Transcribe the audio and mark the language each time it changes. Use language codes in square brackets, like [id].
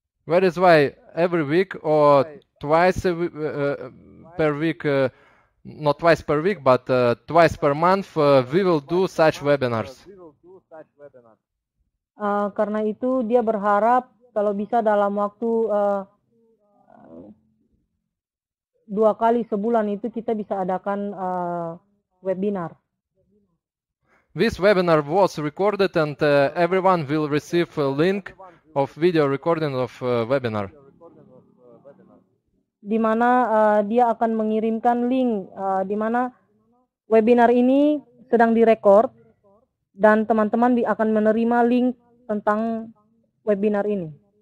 [en] That is why every week or twice per week, not twice per week, but twice per month, we will do such webinars. [id] Karena itu dia berharap kalau bisa dalam waktu dua kali sebulan itu kita bisa adakan webinar. [en] This webinar was recorded and everyone will receive a link of video recording of webinar. [id] Di mana dia akan mengirimkan link di mana webinar ini sedang direcord dan teman-teman akan menerima link tentang webinar ini.